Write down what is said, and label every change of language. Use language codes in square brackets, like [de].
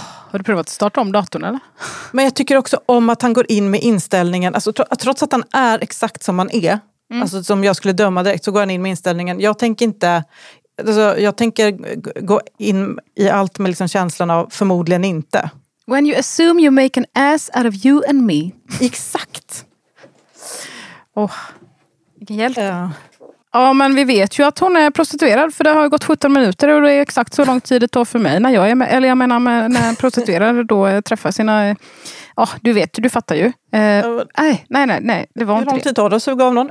[sv] Har du provat att starta om datorn eller? Men jag tycker också om att han går in med inställningen. Alltså trots att han är exakt som han är. Mm. Alltså som jag skulle döma direkt, så går han in med inställningen. Jag tänker inte, alltså, jag tänker gå in i allt med liksom känslan av förmodligen inte. [en] When you assume you make an ass out of you and me. [sv] Exakt. Åh. Vilken hjälp. Ja, men vi vet ju att hon är prostituerad, för det har ju gått 17 minuter och det är exakt så lång tid det tar för mig när jag är med, eller jag menar med, när en prostituerad då träffar sina, ja, du vet, du fattar ju. Nej, det var inte det. Hur lång tid tar det att suga av någon?